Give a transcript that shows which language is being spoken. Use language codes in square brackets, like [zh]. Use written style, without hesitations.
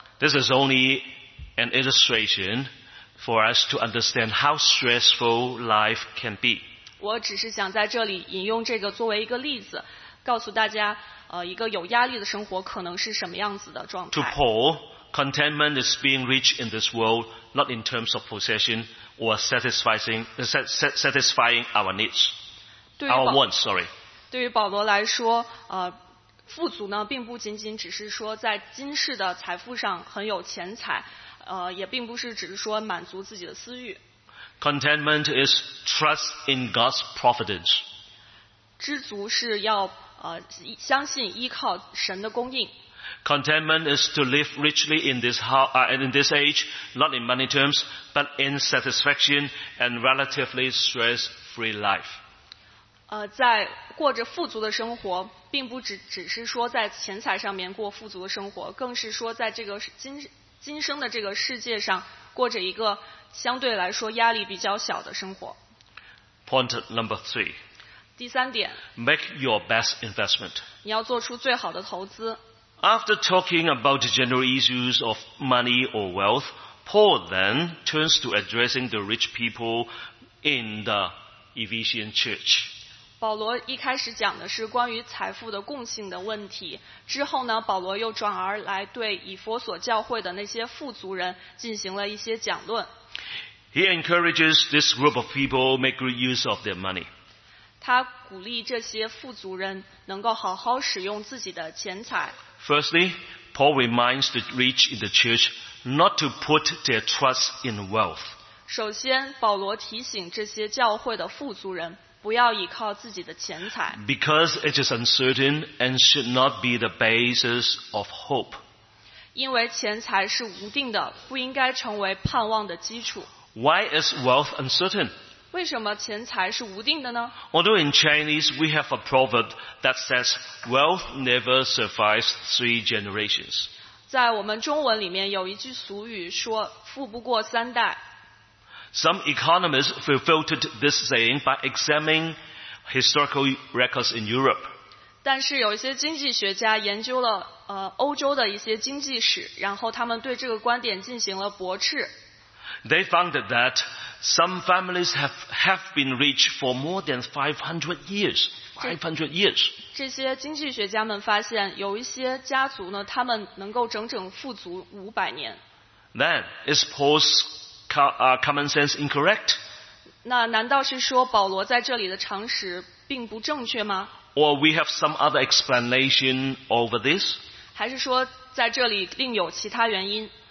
[en] This is only an illustration for us to understand how stressful life can be. [zh] 我只是想在这里引用这个作为一个例子，告诉大家，一个有压力的生活可能是什么样子的状态。 [en] To Paul,Contentment is being rich in this world, not in terms of possession or satisfying our needs, our wants. Sorry. [zh] 对于保罗来说，富足呢，并不仅仅只是说在今世的财富上很有钱财，也并不是只是说满足自己的私欲。 [en] Contentment is trust in God's providence. [zh] 知足是要相信依靠神的供应。 [en] Contentment is to live richly in this age, not in money terms, but in satisfaction and relatively stress-free life. [zh] 在过着富足的生活，并不只是说在钱财上面过富足的生活，更是说在这个今生的这个世界上过着一个相对来说压力比较小的生活。 [en] Point number three. [zh] 第三点， [en] Make your best investment. [zh] 你要做出最好的投资。 [en] After talking about the general issues of money or wealth, Paul then turns to addressing the rich people in the Ephesian church. [zh] 保罗一开始讲的是关于财富的共性的问题，之后呢，保罗又转而来对以弗所教会的那些富足人进行了一些讲论。 [en] He encourages this group of people make good use of their money. [zh] 他鼓励这些富足人能够好好使用自己的钱财。 [en] Firstly, Paul reminds the rich in the church not to put their trust in wealth. [zh] 首先，保罗提醒这些教会的富足人不要依靠自己的钱财。 [en] Because it is uncertain and should not be the basis of hope. [zh] 因为钱财是无定的，不应该成为盼望的基础。 [en] Why is wealth uncertain? [zh] 为什么钱财是无定的呢？ [en] Although in Chinese we have a proverb that says wealth never survives three generations. [zh] 在我们中文里面有一句俗语说富不过三代。 [en] Some economists refuted this saying by examining historical records in Europe. [zh] 但是有一些经济学家研究了欧洲的一些经济史，然后他们对这个观点进行了驳斥。 [en] They found that some families have been rich for more than 500 years. 500 years. [zh] 这些经济学家们发现，有一些家族呢，他们能够整整富足500年。 [en] Then, is Paul's common sense incorrect? [zh] 那难道是说保罗在这里的常识并不正确吗？ [en] Or we have some other explanation over this? [zh] 还是说在这里另有其他原因？